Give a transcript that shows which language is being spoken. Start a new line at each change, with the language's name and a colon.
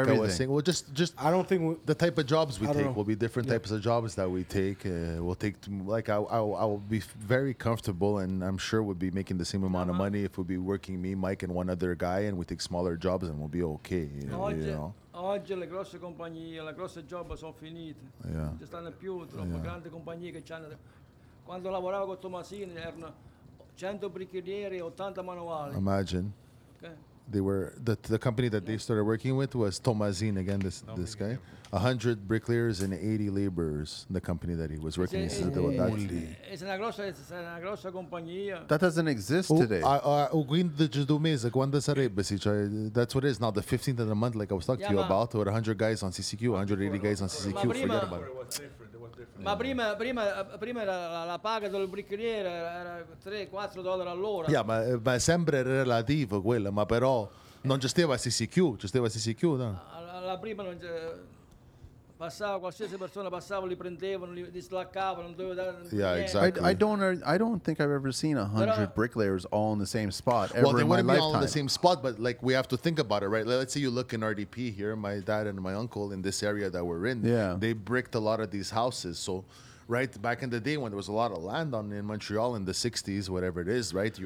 English: everything. I was saying, well, just I don't think the type of jobs we take will be different types of jobs that we take. We'll take, I will be very comfortable and I'm sure we'll be making the same amount of money if we'll be working me, Mike, and one other guy and we take smaller jobs and we'll be okay, you know?
Italian: Oggi le grosse compagnie, le grosse job sono finite.
English: Yeah.
Italian: Ci stanno più troppo grandi compagnie che c'hanno. Quando lavoravo con Tomasini erano 100 bricchieri e 80 manuali.
English: Imagine. Okay. They were the company that they started working with was Tomazine again. This guy, 100 bricklayers and 80 laborers. The company that he was working with. That doesn't exist today. That's what it is now. The 15th of the month, like I was talking to you about, there were 100 guys on CCQ, 180 guys on CCQ. Forget about it.
Italian: Ma prima era la paga del bricchiere era $3-4 all'ora. Yeah, ma sembra relativo quello, ma però non c'esteva CCQ, c'esteva CCQ, no? La prima non passava qualsiasi persona passava li prendevano, li slaccavano, non doveva dare.
English: Yeah, exactly. I don't think I've ever seen 100 bricklayers all in the same spot ever in my lifetime. Well, they wouldn't be all in the same spot, but like we have to think about it, right? Let's say you look in RDP here, my dad and my uncle in this area that we're in, yeah. They bricked a lot of these houses. So right back in the day when there was a lot of land on in Montreal in the 60s, whatever it is, right?